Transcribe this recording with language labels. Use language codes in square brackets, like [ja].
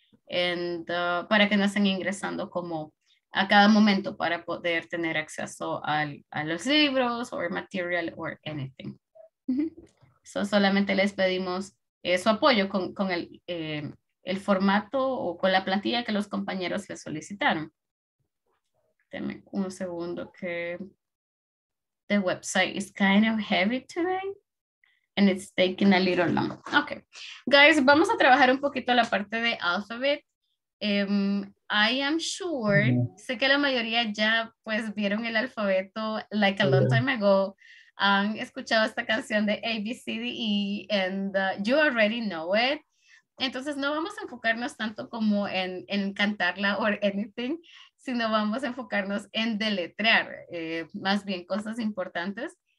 [es] And, para que no estén ingresando como a cada momento para poder tener acceso al, a los libros [en] or material or anything. [es] So, solamente les pedimos su apoyo con el formato o con la plantilla que los compañeros les solicitaron. Denme un segundo que [en] the website is kind of heavy today and it's taking a little long. Okay, guys, [es] vamos a trabajar un poquito la parte de alphabet. [en] I am sure, [es] sé que la mayoría ya pues vieron el alfabeto [en] like a long time ago. [es] Han escuchado esta canción de ABCDE [en] and you already know it. [es] Entonces no vamos a enfocarnos tanto como en cantarla [en] or anything, [es] sino vamos a enfocarnos en deletrear, más bien cosas importantes.